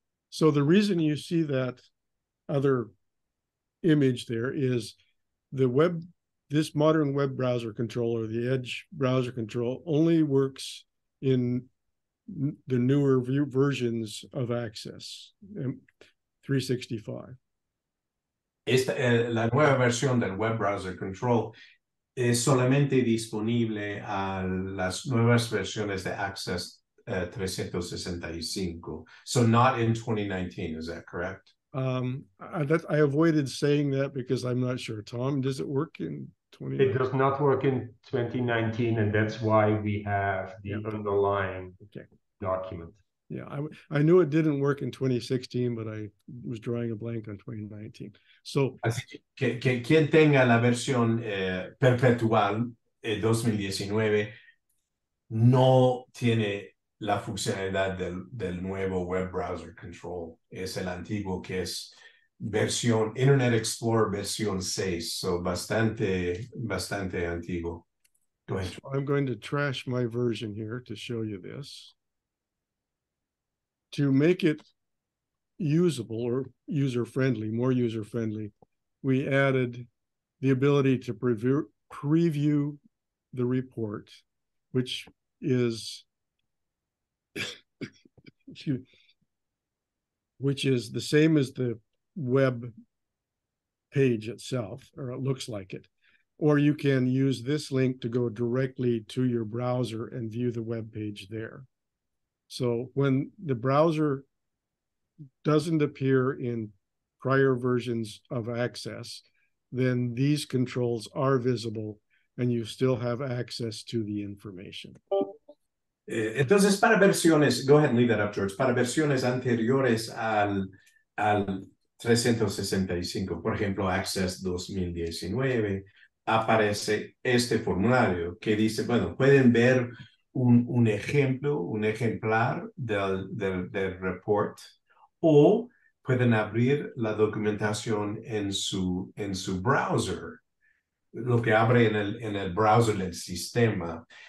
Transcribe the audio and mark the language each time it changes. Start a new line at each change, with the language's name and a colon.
English: So the reason you see that other image there is the web, this modern web browser control or the Edge browser control only works in the newer versions of Access 365.
Spanish: La nueva versión del web browser control es solamente disponible a las nuevas versiones de Access 365.
English: So not in 2019, is that correct? I avoided saying that because I'm not sure. Tom, does it work in 2019? It does not work in 2019, and that's why we have the underlying document. Yeah, I knew it didn't work in 2016, but I was drawing a blank on 2019. So,
Spanish: así que quien tenga la versión perpetual 2019 no tiene la funcionalidad del nuevo web browser control. Es el antiguo que es versión Internet Explorer versión 6, so bastante antiguo.
English: Go ahead. So I'm going to trash my version here to show you this. To make it usable or user-friendly, more user-friendly, we added the ability to preview the report, which is which is the same as the web page itself, or it looks like it. Or you can use this link to go directly to your browser and view the web page there. So when the browser doesn't appear in prior versions of Access, then these controls are visible and you still have access to the information.
Spanish: Entonces, para versiones,
English: go ahead and leave that up, George.
Spanish: Para versiones anteriores al 365, por ejemplo, Access 2019, aparece este formulario que dice, bueno, pueden ver un ejemplar del report, o pueden abrir la documentación en su browser, lo que abre en el browser del sistema.